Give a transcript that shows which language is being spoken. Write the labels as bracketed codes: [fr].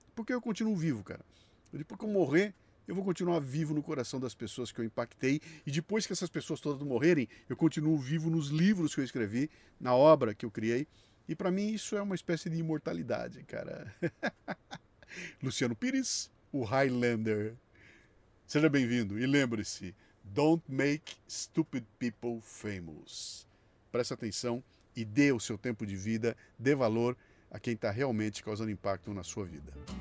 [pt] Porque eu continuo vivo, cara. Depois que eu morrer, eu vou continuar vivo no coração das pessoas que eu impactei. E depois que essas pessoas todas morrerem, eu continuo vivo nos livros que eu escrevi, na obra que eu criei. E para mim isso é uma espécie de imortalidade, cara. Luciano Pires, o Highlander. Seja bem-vindo. E lembre-se, [en] don't make stupid people famous. [pt] Preste atenção e dê o seu tempo de vida, dê valor a quem está realmente causando impacto na sua vida.